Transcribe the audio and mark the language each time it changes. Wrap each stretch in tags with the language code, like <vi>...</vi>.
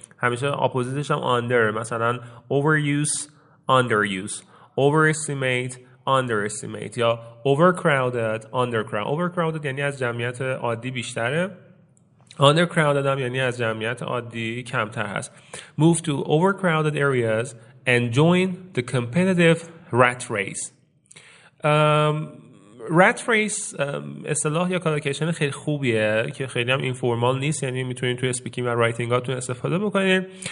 <fa>همیشه اپوزیتش هم under. مثلا overuse, underuse.</fa> <en>Overestimate, underestimate. یا overcrowded, undercrowded.</en> <fa>Overcrowded یعنی از جمعیت عادی بیشتره. Undercrowded هم یعنی از جمعیت عادی کمتر هست.</fa> <en>Move to overcrowded areas and join the competitive rat race.</en> <fa>Rat race اصطلاح یا کالوکیشن خیلی خوبیه که خیلی هم اینفورمال نیست، یعنی میتونید توی اسپیکینگ و رایتینگ هاتون استفاده بکنید.</fa>